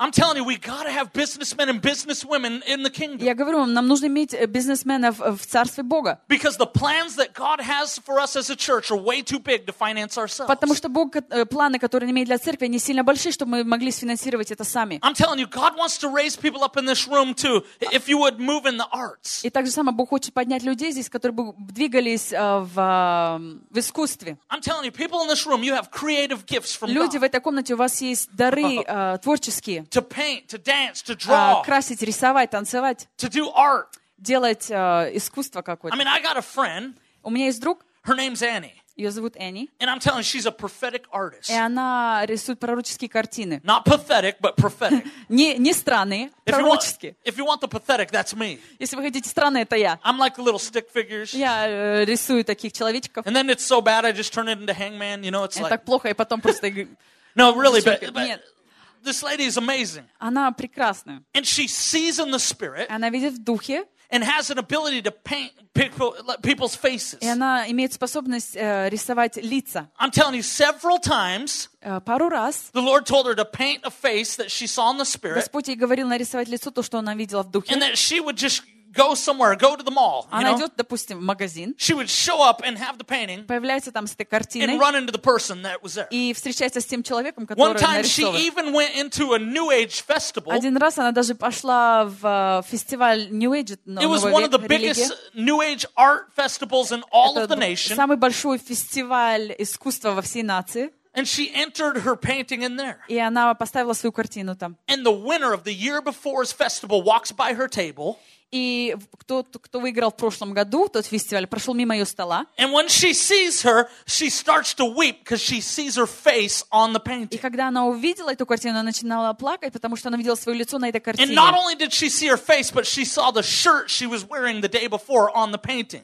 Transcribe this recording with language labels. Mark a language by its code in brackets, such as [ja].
[en] I'm telling you, we gotta have businessmen and businesswomen in the kingdom. [ru] Я говорю вам, нам нужно иметь бизнесменов в царстве Бога. [en] Because the plans that God has for us as a church are way too big to finance ourselves. [ru] Потому что Бог планы, которые имеет для церкви, они сильно большие, чтобы мы могли сфинансировать это сами. [en] I'm telling you, God wants to raise people up in this room to if you would move in the arts. [ru] И так же самое Бог хочет поднять людей здесь, которые бы двигались в искусстве. [en] I'm telling you, people in this room, you have creative gifts from God. [ru] Люди в этой комнате, у вас есть дары творческие. [en] To paint, to dance, to draw. [ru] Красить, рисовать, танцевать. [en] To do art. [ru] Делать искусство какое-то. [en] I mean, I got a friend. [ru] У меня есть друг. [en] Her name's Annie. [ru] Ее зовут Энни. [en] And I'm telling you, she's a prophetic artist. [ru] И она рисует пророческие картины. [en] Not pathetic, but prophetic. [ru] не странные, пророческие. [en] If you want the pathetic, that's me. [ru] Если вы хотите странные, это я. [en] I'm like the little stick figures. [ru] Я рисую таких человечков. [en] And then it's so bad, I just turn it into hangman. You know, it's like. [ru] Это так плохо, и потом просто. [en] No, really, but this lady is amazing. [ru] Она прекрасная. [en] And she sees in the spirit. [ru] Она видит в духе. [en] And has an ability to paint people's faces. [ru] И она имеет способность рисовать лица. [en] I'm telling you, several times. [ru] Пару раз. [en] The Lord told her to paint a face that she saw in the spirit. [ru] Господь ей говорил нарисовать лицо то, что она видела в духе. [en] And that she would just go somewhere, go to the mall. [ru] Она идет, допустим, в магазин. [en] She would show up and have the painting. [ru] Появляется там с этой картиной. [en] And run into the person that was there. [ru] И встречается с тем человеком, который нарисован. [en] One time she even went into a New Age festival. [ru] Один раз она даже пошла в фестиваль New Age. [en] It was one of the biggest New Age art festivals in all of the nation. [ru] Самый большой фестиваль искусства во всей нации. [en] And she entered her painting in there. [ru] И она поставила свою картину там. [en] And the winner of the year before's festival walks by her table. [ru] И кто выиграл в прошлом году тот фестиваль, прошел мимо ее стола. [en] And when she sees her, she starts to weep because she sees her face on the painting. [ru] И когда она увидела эту картину, она начинала плакать, потому что она видела свое лицо на этой картине. [en] And not only did she see her face, but she saw the shirt she was wearing the day before on the painting.